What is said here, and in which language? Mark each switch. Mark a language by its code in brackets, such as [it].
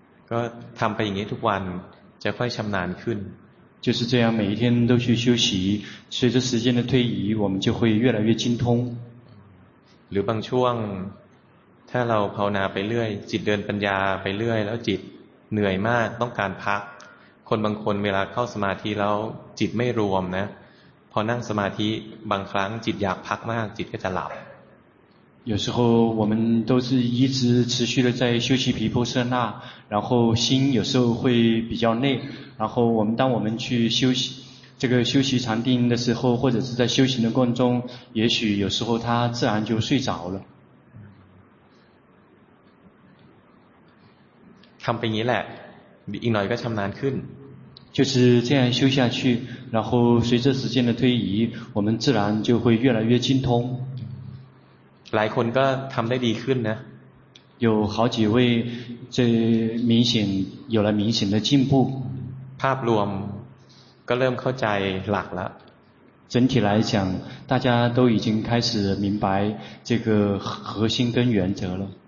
[th] ก็ทำไปอย่างนี้ทุกวันจะค่อยชำนาญขึ้น [zh] 就是这样每一天都去休息随着时间的推移我们就会越来越精通 [th] หรือบางช่วงถ้าเราภาวนาไปเรื่อยจิตเดินปัญญาไปเรื่อยแล้วจิตเหนื่อยมากต้องการพักคนบางคนเวลาเข้าสมาธิแล้วจิตไม่รวมนะพอนั่งสมาธิบางครั้งจิตอยากพักมากจิตก็จะหลับ [zh] 有时候我们都是一直持续的在修习毗婆舍那然后心有时候会比较累然后我们当我们去休息这个休息禅定的时候或者是在修行的过程中也许有时候他自然就睡着了 [th] ทำไปอย่างนี้แหละอีกหน่อยก็ชำนาญขึ้น [zh] 就是这样修下去然后随着时间的推移我们自然就会越来越精通 [th] หลายคนก็ทำได้ดีขึ้นนะ [zh] 有好几位这明显有了明显的进步 [th] ภาพรวมก็เริ่มเข้าใจหลักแล้ว [zh] 整体来讲大家都已经开始明白这个核心跟原则了